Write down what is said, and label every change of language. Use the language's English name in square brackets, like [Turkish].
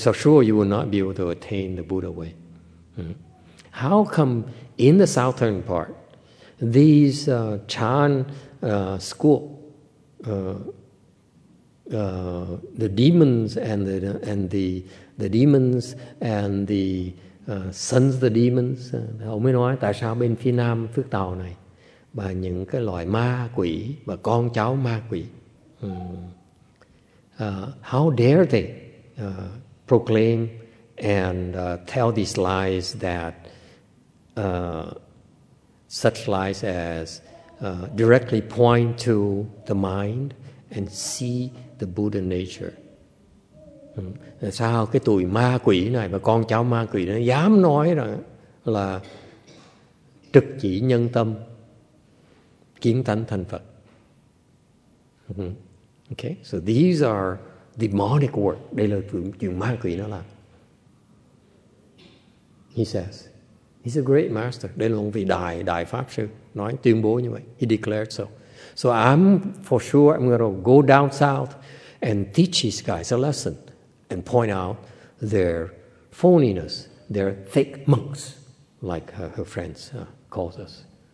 [English] So sure you will not be able to attain the Buddha way. How come in the southern part, these Chan school, the demons and the demons and the sons of the demons, [Vietnamese] ông mới nói tại sao bên phía nam Phước Tàu này và những cái loài ma quỷ và con cháu ma quỷ. [English] How dare they proclaim and tell these lies that such lies as directly point to the mind and see the Buddha nature? [Vietnamese] Sao cái tụi ma quỷ này và con cháu ma quỷ nó dám nói rằng là trực chỉ nhân tâm kiến tánh thành Phật? [English] Okay, so these are demonic work. [Vietnamese] Đây là chuyện ma quỷ nó làm. [English] He says, he's a great master. [Vietnamese] Đây là ông vị đại pháp sư nói tuyên bố như vậy. [English] He declared so. So I'm for sure I'm going to go down south and teach these guys a lesson and point out their phoniness, their fake monks, like her friends calls us.